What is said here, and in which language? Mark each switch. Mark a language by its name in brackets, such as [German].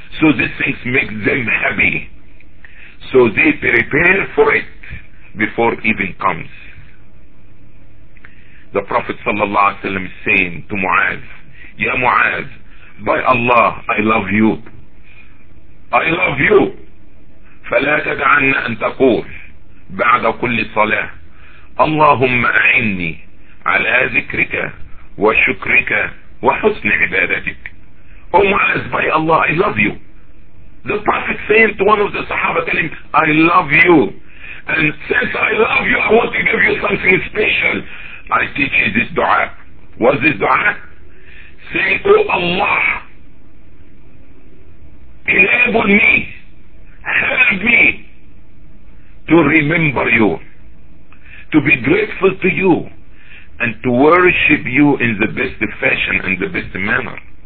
[English] So these things make them happy. So they prepare for it before even comes. The Prophet sallallahu alaihi wasallam is saying to Mu'az, "Ya Mu'az, by Allah, I love you. I love you. [Arabic] فَلَا تَدْعَنَّ أَن تَقُولَ بعد كل صلاة اللهم أعني على ذكرك وشكرك وحسن عبادتك." [English] Oh Mu'az, by Allah, I love you. The Prophet saying to one of the Sahaba, telling him, "I love you, and since I love you, I want to give you something special. I teach you this dua." What's this dua? Say, "Oh Allah, enable me, help me to remember you, to be grateful to you, and to worship you in the best fashion and the best manner."